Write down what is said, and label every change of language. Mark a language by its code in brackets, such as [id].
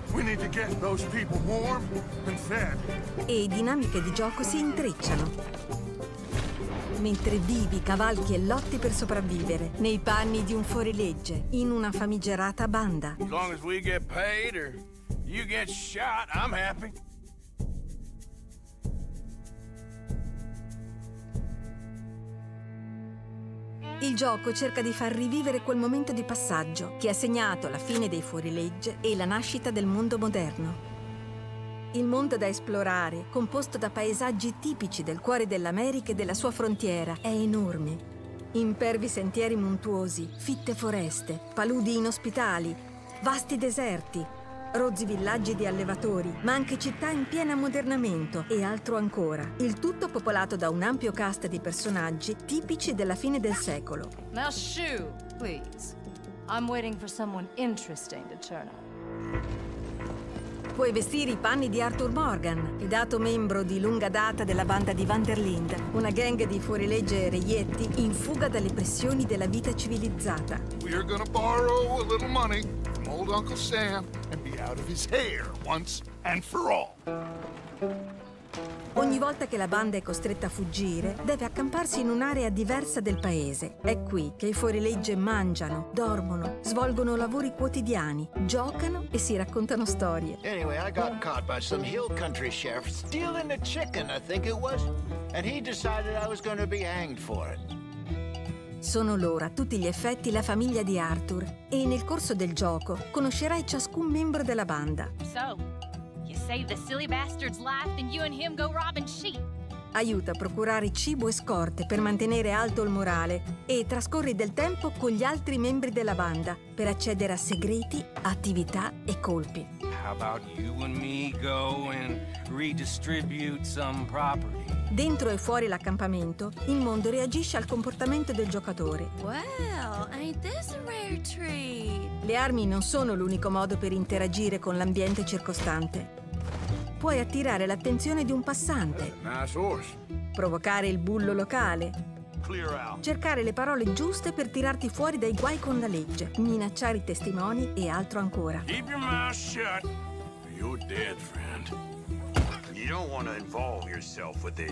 [en] we need to get those people warm and fed, [it] e dinamiche di gioco si intrecciano. Mentre vivi, cavalchi e lotti per sopravvivere nei panni di un fuorilegge in una famigerata banda. [en] As long as we get paid or you get shot, I'm happy. [it] Il gioco cerca di far rivivere quel momento di passaggio che ha segnato la fine dei fuorilegge e la nascita del mondo moderno. Il mondo da esplorare, composto da paesaggi tipici del cuore dell'America e della sua frontiera, è enorme. Impervi sentieri montuosi, fitte foreste, paludi inospitali, vasti deserti, rozzi villaggi di allevatori, ma anche città in pieno ammodernamento e altro ancora. Il tutto popolato da un ampio cast di personaggi tipici della fine del secolo. [en] Now shoo, please. I'm waiting for someone interesting to turn up. [it] Puoi vestire i panni di Arthur Morgan, fidato membro di lunga data della banda di Vanderlinde, una gang di fuorilegge e reietti in fuga dalle pressioni della vita civilizzata. [en] We're gonna borrow a little money from old Uncle Sam and be out of his hair once. and for all. [it] Ogni volta che la banda è costretta a fuggire, deve accamparsi in un'area diversa del paese. È qui che i fuorilegge mangiano, dormono, svolgono lavori quotidiani, giocano e si raccontano storie. [en] Anyway, I got caught by some hill country sheriff stealing a chicken, I think it was, and he decided I was going to be hanged for it. [it] Sono loro, a tutti gli effetti, la famiglia di Arthur, e nel corso del gioco conoscerai ciascun membro della banda. [en] So. Save the silly bastard's life, then you and him go robbing sheep. [it] Aiuta a procurare cibo e scorte per mantenere alto il morale e trascorri del tempo con gli altri membri della banda per accedere a segreti, attività e colpi. [en] How about you and me go and redistribute some property? [it] Dentro e fuori l'accampamento, il mondo reagisce al comportamento del giocatore. [en] Well, ain't this a rare treat? [it] Le armi non sono l'unico modo per interagire con l'ambiente circostante. Puoi attirare l'attenzione di un passante, provocare il bullo locale, cercare le parole giuste per tirarti fuori dai guai con la legge, minacciare i testimoni e altro ancora. [en] Keep your mouth shut. You're dead, friend. You don't want to involve yourself with this.